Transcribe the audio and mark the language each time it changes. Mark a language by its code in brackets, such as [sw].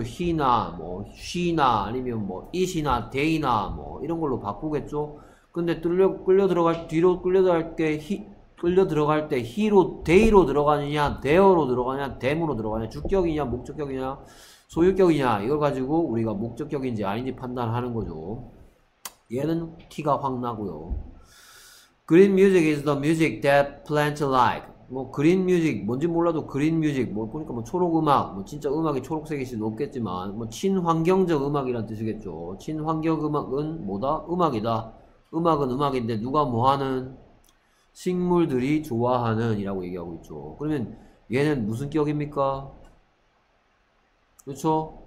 [ko] he나 뭐 she나 아니면 뭐 it이나 they나 뭐 이런 걸로 바꾸겠죠. 근데 끌려 들어갈 뒤로 끌려 들어갈 게 he 끌려 들어갈 때 he로 they로 들어가느냐, they로 들어가냐, them으로 들어가냐, 주격이냐, 목적격이냐, 소유격이냐 이걸 가지고 우리가 목적격인지 아닌지 판단하는 거죠. 얘는 t가 확 나고요. [en] Green music is the music that plants like. [ko] 뭐 그린 뮤직 뭔지 몰라도 그린 뮤직 뭐 보니까 뭐 초록 음악 뭐 진짜 음악이 초록색일 수는 없겠지만 뭐 친환경적 음악이란 뜻이겠죠. 친환경 음악은 뭐다? 음악이다. 음악은 음악인데 누가 뭐 하는? 식물들이 좋아하는 이라고 얘기하고 있죠. 그러면 얘는 무슨 격입니까? 그렇죠?